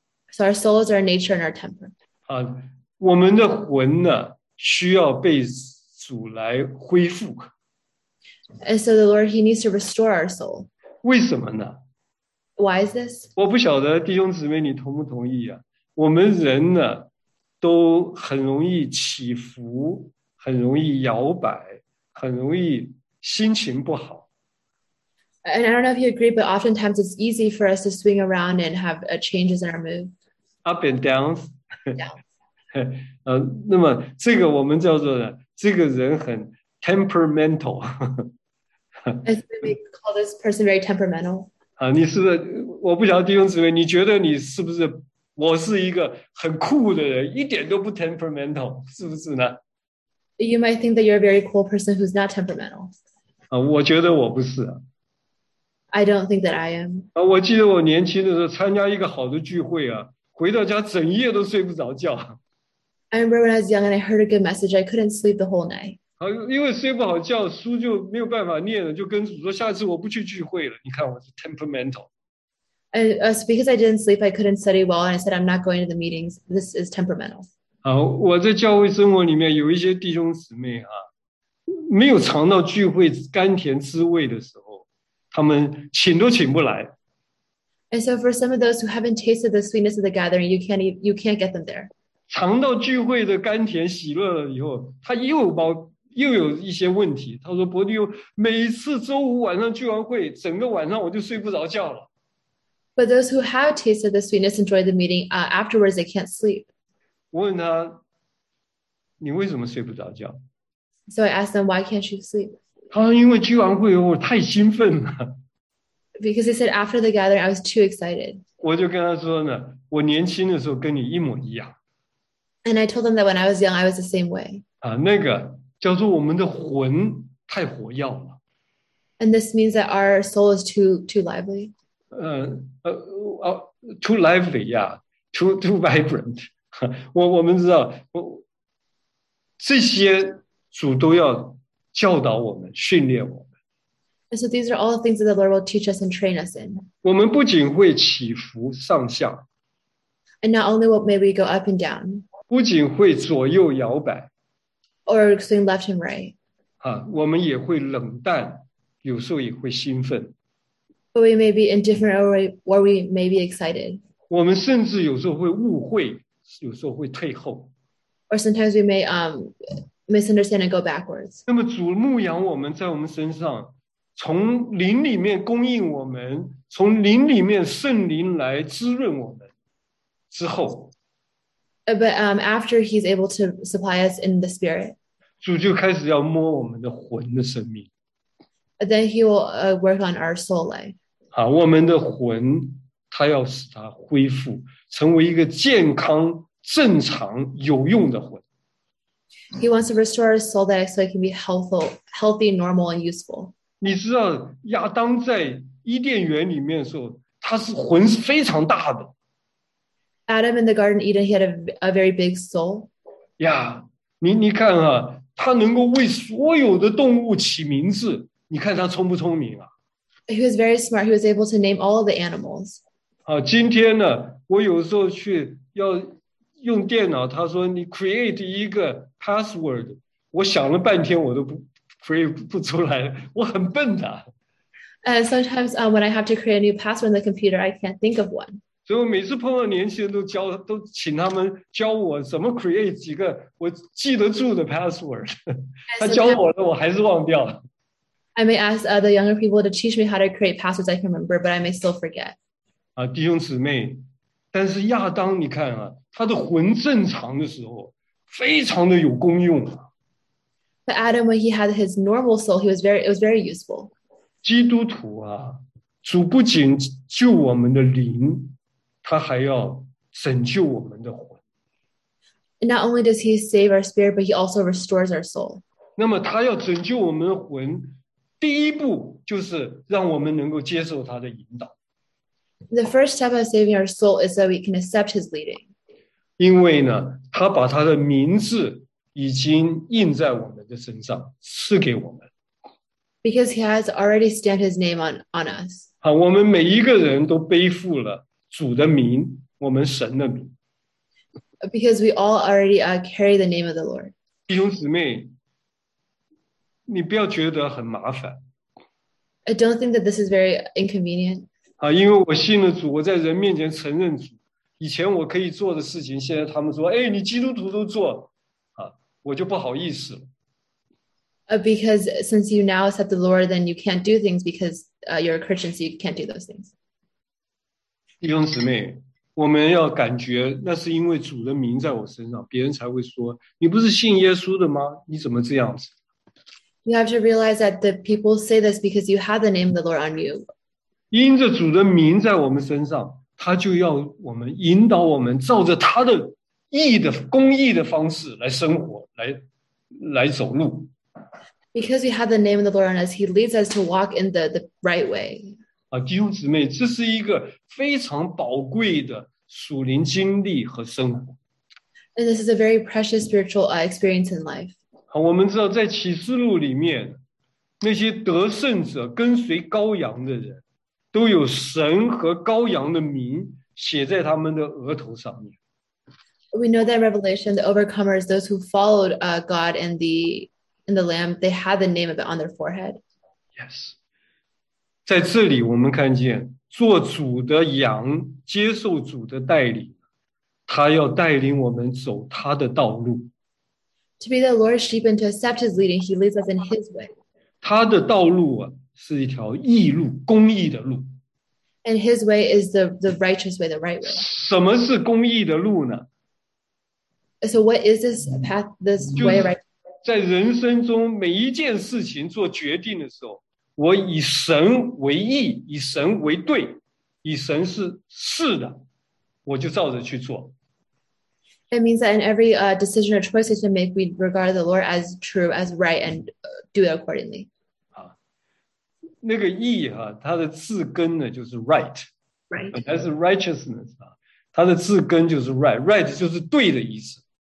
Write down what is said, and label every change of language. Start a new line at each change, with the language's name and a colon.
English: So our soul is our nature and our temper.
Chinese: 我们的魂呢，需要被主来恢复。
English: And so the Lord, he needs to restore our soul.
Chinese: 为什么呢？
English: Why is this?
Chinese: 我不晓得弟兄姊妹你同不同意啊？我们人呢，都很容易起伏，很容易摇摆，很容易心情不好。
English: And I don't know if you agree, but oftentimes it's easy for us to swing around and have changes in our mood. Up and down. Yeah.
Chinese: 那么这个我们叫做呢，这个人很 temperamental.
English: And so we call this person very temperamental.
Chinese: 你是不是，我不晓得弟兄姊妹，你觉得你是不是，我是一个很酷的人，一点都不 temperamental, 是不是呢？
English: You might think that you're a very cool person who's not temperamental.
Chinese: 我觉得我不是。
English: I don't think that I am.
Chinese: 我记得我年轻的时候参加一个好的聚会啊，回到家整夜都睡不着觉。
English: I remember when I was young and I heard a good message, I couldn't sleep the whole night.
Chinese: 因为睡不好觉，书就没有办法念了，就跟主说下次我不去聚会了。你看我是 temperamental.
English: And because I didn't sleep, I couldn't study well, and I said I'm not going to the meetings. This is temperamental.
Chinese: 我在教会生活里面有一些弟兄姊妹啊，没有尝到聚会甘甜滋味的时候，他们请都请不来。
English: And so for some of those who haven't tasted the sweetness of the gathering, you can't get them there.
Chinese: 尝到聚会的甘甜喜乐了以后，他又有一些问题。他说：“伯弟兄，每次周五晚上聚完会，整个晚上我就睡不着觉了。”
English: But those who have tasted the sweetness enjoy the meeting. Afterwards, they can't sleep.
Chinese: 我问他：“你为什么睡不着觉？”
English: So I asked them, "Why can't you sleep?"
Chinese: 他说：“因为聚完会以后太兴奋了。”
English: Because he said after the gathering, I was too excited.
Chinese: 我就跟他说呢，我年轻的时候跟你一模一样。
English: And I told him that when I was young, I was the same way.
Chinese: 那个叫做我们的魂太活跃了。
English: And this means that our soul is too lively. Too lively, yeah, too vibrant.
Chinese: 我们知道，这些主都要教导我们，训练我们。
English: And so these are all the things that the Lord will teach us and train us in.
Chinese: 我们不仅会起伏上下。
English: And not only may we go up and down.
Chinese: 不仅会左右摇摆。
English: Or swing left and right.
Chinese: 我们也会冷淡，有时候也会兴奋。
English: But we may be indifferent or we may be excited.
Chinese: 我们甚至有时候会误会，有时候会退后。
English: Or sometimes we may, misunderstand and go backwards.
Chinese: 那么主牧养我们，在我们身上，从灵里面供应我们，从灵里面圣灵来滋润我们之后，
English: but after he's able to supply us in the spirit,
Chinese: 主就开始要摸我们的魂的生命。
English: Then he will work on our soul life.
Chinese: 我们的魂，他要使它恢复，成为一个健康、正常、有用的魂。
English: He wants to restore his soul that so it can be healthy, normal, and useful.
Chinese: 你知道亚当在伊甸园里面的时候，他是魂是非常大的。
English: Adam in the Garden of Eden, he had a very big soul.
Chinese: Yeah, 你看啊，他能够为所有的动物起名字，你看他聪不聪明啊？
English: He was very smart. He was able to name all the animals.
Chinese: 今天呢，我有时候去要用电脑，他说你 create 一个 password，我想了半天我都不 create 不出来，我很笨的。
English: Sometimes, when I have to create a new password on the computer, I can't think of one.
Chinese: 所以我每次碰到年轻人都请他们教我怎么 create 几个我记得住的 password，他教我了，我还是忘掉了。
English: I may ask the younger people to teach me how to create passwords I can remember, but I may still forget.
Chinese: 啊，弟兄姊妹，但是亚当，你看啊，他的魂正常的时候，非常的有功用啊。
English: But Adam, when he had his normal soul, it was very useful.
Chinese: 基督徒啊，主不仅救我们的灵，他还要拯救我们的魂。
English: And not only does he save our spirit, but he also restores our soul.
Chinese: 那么，他要拯救我们的魂，第一步就是让我们能够接受他的引导。
English: The first step of saving our soul is that we can accept his leading.
Chinese: 因为呢，他把他的名字已经印在我们的身上，赐给我们。
English: Because he has already stamped his name on us.
Chinese: 好，我们每一个人都背负了主的名，我们神的名。
English: Because we all already carry the name of the Lord.
Chinese: 弟兄姊妹，你不要觉得很麻烦。
English: I don't think that this is very inconvenient.
Chinese: 啊，因为我信了主，我在人面前承认主。以前我可以做的事情，现在他们说：“哎，你基督徒都做，啊，我就不好意思了。
English: Because since you now accept the Lord, then you can't do things because you're a Christian, so you can't do those things.
Chinese: ”弟兄姊妹，我们要感觉那是因为主的名在我身上，别人才会说：“你不是信耶稣的吗？你怎么这样子？”
English: You have to realize that the people say this because you have the name of the Lord on you.
Chinese: 因着主的名在我们身上，他就要我们引导我们，照着他的义的公义的方式来生活，来走路。
English: Because we have the name of the Lord on us, He leads us to walk in the right way.
Chinese: 啊，弟兄姊妹，这是一个非常宝贵的属灵经历和生活。
English: And this is a very precious spiritual experience in life.
Chinese: 好，我们知道在启示录里面，那些得胜者跟随羔羊的人。都有神和羔羊的名写在他们的额头上面。
English: We know that in Revelation, the overcomers, those who followed God and the Lamb, they had the name of it on their forehead.
Chinese: Yes，在这里我们看见做主的羊接受主的带领，他要带领我们走他的道路。
English: To be the Lord's sheep and to accept his leading, he leads us in his way.
Chinese: 他的道路啊。是一条义路，公义的路。
English: And his way is the righteous way, the right way.
Chinese: 什么是公义的路呢？
English: So what is this path, this
Chinese: 就
English: way right?
Chinese: 是在人生中每一件事情做决定的时候，我以神为义，以神为对，以神是的，我就照着去做。
English: It means that in every decision or choice we make, we regard the Lord as true, as right, and do it accordingly.
Chinese: 那个义哈、啊，它的字根呢就是 right，本
English: Right.
Chinese: 来是 righteousness 啊，它的字根就是 right，right 就是对的意思。